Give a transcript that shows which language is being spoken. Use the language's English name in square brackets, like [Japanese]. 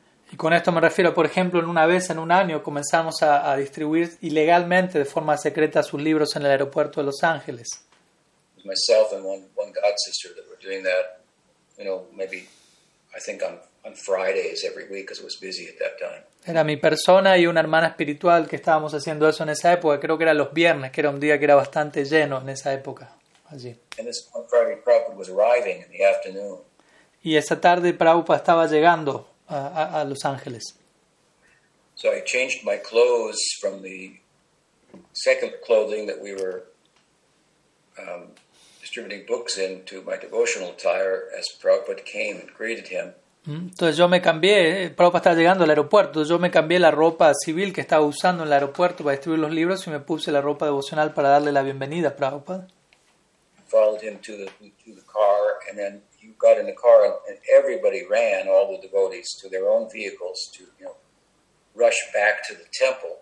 [Spanish] Y con esto me refiero, por ejemplo, en una vez, en un año, comenzamos a distribuir ilegalmente, de forma secreta, sus libros en el aeropuerto de Los Ángeles. [English] Myself and one god sister that were doing that, you know, maybe I think on Fridays every week because it was busy at that time. [Spanish] Era mi persona y una hermana espiritual que estábamos haciendo eso en esa época. Creo que era los viernes, que era un día que era bastante lleno en esa época allí. [English] And this one Friday, Prabhupada was arriving in the afternoon. [Spanish] Y esa tarde Prabhupada estaba llegando a Los Ángeles. [English] So I changed my clothes from the secular clothing that we were distributing books into my devotional attire as Prabhupada came and greeted him. [Spanish] Entonces yo me cambié, Prabhupada estaba llegando al aeropuerto, yo me cambié la ropa civil que estaba usando en el aeropuerto para distribuir los libros y me puse la ropa devocional para darle la bienvenida a Prabhupada. [English] Followed him to the car and then you got in the car and everybody ran, all the devotees, to their own vehicles to, you know, rush back to the temple.